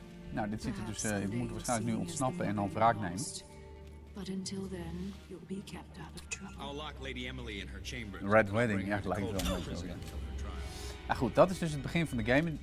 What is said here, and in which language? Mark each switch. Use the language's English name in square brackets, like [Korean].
[Dutch] Nou, dit ziet er dus... ik moet waarschijnlijk nu ontsnappen en dan wraak nemen. [English] But until then, you'll be kept out of trouble. I'll lock Lady Emily in her chamber. [Dutch] Red Wedding, ja, lijkt wel. Ja. Ja, goed, dat is dus het begin van de game.